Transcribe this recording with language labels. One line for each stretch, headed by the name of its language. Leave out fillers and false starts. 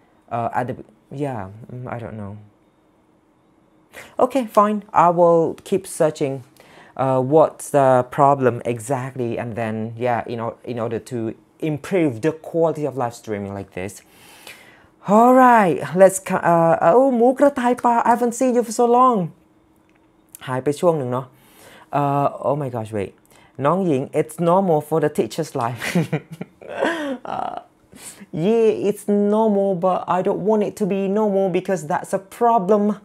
English: I don't know. Okay, fine. I will keep searching what's the problem exactly, and then, yeah, in order to improve the quality of live streaming like this. All right, let's หมูกระต่ายป่า I haven't seen you for so long.
Thai: หายไปช่วงหนึ่งเนาะ
English: oh my gosh, wait. น้องหญิง it's normal for the teacher's life. yeah, it's normal, but I don't want it to be normal because that's a problem.